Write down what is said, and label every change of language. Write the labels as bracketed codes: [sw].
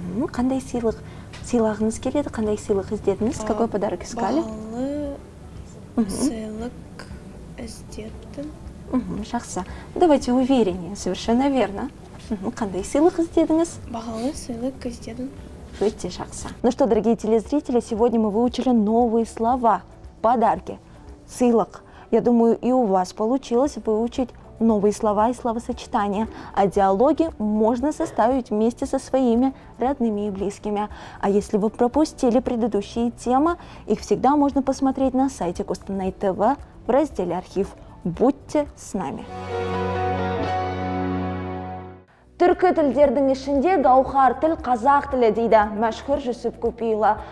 [kk] Қандай сыйлық сыйлағыңыз келеді? Қандай сыйлық іздедіңіз? [ru] Какой подарок искали? [kk] Бағалы сыйлық іздеттім. Жақсы. [ru] Давайте уверение. Совершенно верно. [kk] Қандай сыйлық іздедіңіз? Бағалы сыйлық іздедім. Өте жақсы. [ru] Ну что, дорогие телезрители, сегодня мы выучили новые слова. Подарки. Сыйлық. Я думаю, и у вас получилось выучить новые слова и словосочетания, а диалоги можно составить вместе со своими родными и близкими. А если вы пропустили предыдущие темы, их всегда можно посмотреть на сайте Kustanay TV в разделе «Архив». Будьте с нами! [kk] Түркі тілдердің ішінде гауһар тіл қазақ тілі дейді мәшһүр Жүсіп Көпейұлы.